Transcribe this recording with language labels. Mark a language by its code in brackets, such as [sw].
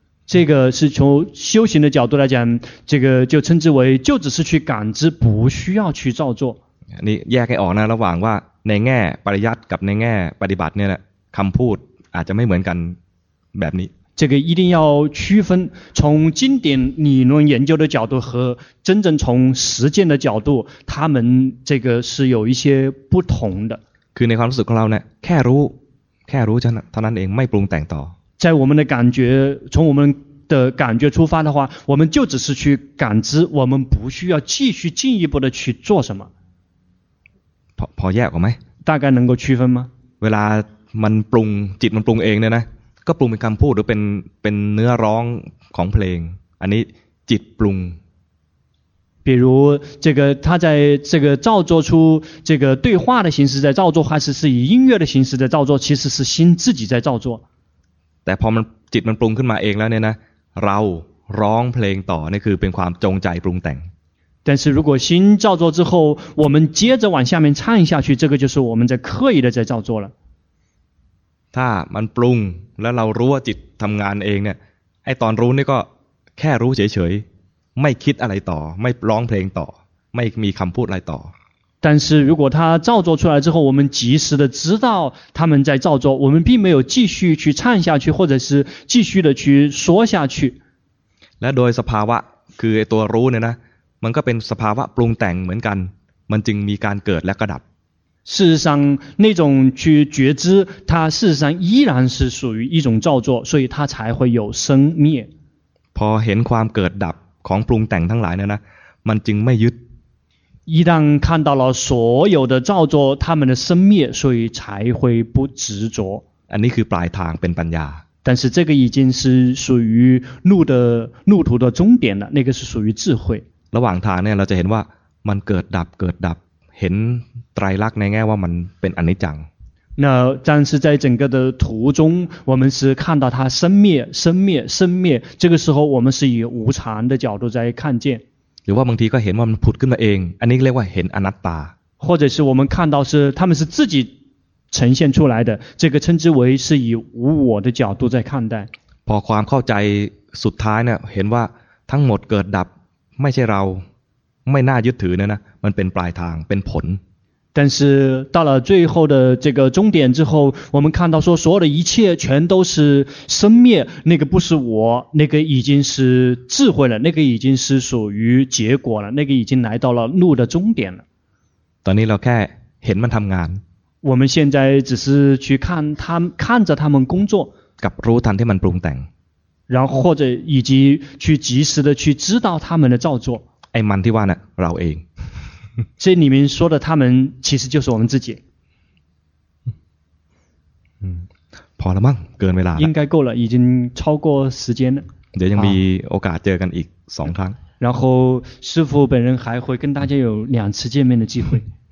[zh] 这个是从修行的角度来讲这个就称之为就只是去感知不需要去造作你 [th] แยกให้ออกนะระหว่างว่าในแง่ปริยัติกับในแง่ปฏิบัติเนี่ยแหละคำพูดอาจจะไม่เหมือนกันแบบนี้ [zh] 这个一定要区分从经典理论研究的角度和真正从实践的角度他们这个是有一些不同的 [th] คือในความรู้สึกของเราเนี่ยแค่รู้เท่านั้นเองไม่ปรุงแต่งต่อ [zh] 在我们的感觉从我们的感觉出发的话我们就只是去感知我们不需要继续进一步的去做什么 [th] พอแยกออกไหม [zh] 大概能够区分吗 [th] เวลามันปรุงจิตมันปรุงเองเนี่ยนะก็ปรุงเป็นคำพูดหรือเป็นเนื้อร้องของเพลงอันนี้จิตปรุง [zh] 比如这个他在这个造作出这个对话的形式在造作还是以音乐的形式在造作其实是心自己在造作 [th] แต่พอมันจิตมันปรุงขึ้นมาเองแล้วเนี่ยนะเราร้องเพลงต่อนี่คือเป็นความจงใจปรุงแต่ง [zh] 但是如果心造作之后我们接着往下面唱下去这个就是我们在刻意的在造作了 [th] ถ้ามันปรุงแล้วเรารู้ว่าจิตทำงานเองเนี่ยไอ้ตอนรู้นี่ก็แค่รู้เฉย ไม่คิดอะไรต่อไม่ร้องเพลงต่อไม่มีคำพูดอะไรต่อ [zh] 但是如果他造作出来之后我们及时的知道他们在造作我们并没有继续去唱下去或者是继续的去说下去 [th] และโดยสภาวะคือตัวรู้เนี่ยนะมันก็เป็นสภาวะปรุงแต่งเหมือนกันมันจึงมีการเกิดและก็ดับ [zh] 事实上那种去觉知它事实上依然是属于一种造作所以它才会有生灭 [th] พอเห็นความเกิดดับของปรุงแต่งทั้งหลายเนี่ยนะมันจึงไม่ยึด [zh] 一旦看到了所有的造作它们的生灭所以才会不执着 [th] อันนี้คือปลายทางเป็นปัญญา [zh] 但是这个已经是属于路途的终点了那个是属于智慧 [th] ระหว่างทางเนี่ยเราจะเห็นว่ามันเกิดดับเกิดดับเห็นไตรลักษณ์ในแง่ว่ามันเป็นอนิจจัง [zh] 那但是在整个的途中我们是看到它生灭生灭生灭这个时候我们是以无常的角度在看见 [th] หรือว่าบางทีก็เห็นว่ามันผุดขึ้นมาเองอันนี้เรียกว่าเห็นอนัตตา [zh] 或者是我们看到是他们是自己呈现出来的这个称之为是以无我的角度在看待 [th] พอความเข้าใจสุดท้ายเนี่ยเห็นว่าทั้งหมดเกิดดับไม่ใช่เราไม่น่ายึดถือเนี่ยนะมันเป็นปลายทางเป็นผล [zh] 但是到了最后的这个终点之后我们看到说所有的一切全都是生灭那个不是我那个已经是智慧了那个已经是属于结果了那个已经来到了路的终点了 [th] ตอนนี้เราแค่เห็นมันทำงาน [zh] 我们现在只是去看他们看着他们工作 [th] กับรู้ทันที่มันปรุงแต่ง [zh] 然后或者以及去及时的去知道他们的造作 [th] ไอ้มันที่ว่าน่ะเราเอง ที่ [zh] 你们说的他们其实就是我们自己 [th] พอละมั้งเกินเวลา [zh] 应该够了已经超过时间了 [th] เดี๋ยวยังมีโอกาสเจอกันอีก2ครั้ง [zh] 然后师父本人还会跟大家有两次见面的机会